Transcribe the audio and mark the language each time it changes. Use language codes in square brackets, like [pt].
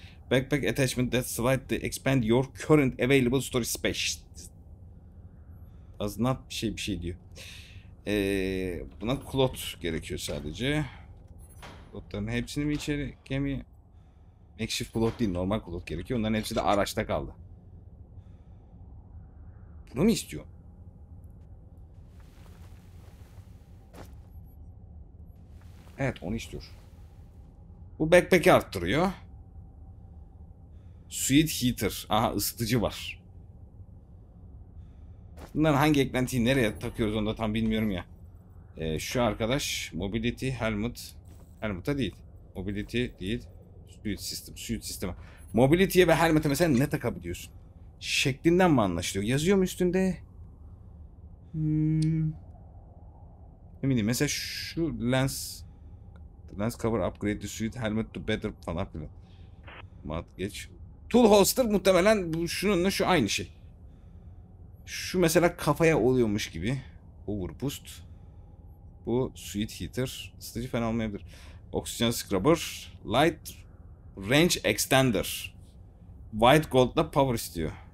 [en] Backpack attachment that slightly expand your current available storage space. Does not [tr] bir şey diyor. Buna cloth gerekiyor sadece. Cloth'ların hepsini mi içeri? Gemi. Makeshift cloth değil. Normal cloth gerekiyor. Onların hepsi de araçta kaldı. Bunu mu istiyor? Evet, onu istiyor. Bu backpack'i arttırıyor. [en] Sweet heater. [tr] Aha, ısıtıcı var. Bunların hangi eklentiyi nereye takıyoruz onu da tam bilmiyorum ya. Şu arkadaş. Mobility helmet. Helmet'a değil. Mobility değil. Suit sistem. Mobility'ye ve helmet'e mesela ne takabiliyorsun? Şeklinden mi anlaşılıyor? Yazıyor mu üstünde? Eminim. Mesela şu lens. [en] Lens cover upgrade the suit helmet to better [tr] falan filan. Mat geç. Tool holster muhtemelen şununla şu aynı şey. Şu mesela kafaya oluyormuş gibi. Over boost. Bu suit heater. Isıtıcı fena olmayabilir. Oksijen scrubber. [en] Light range extender. White gold da power [tr] istiyor.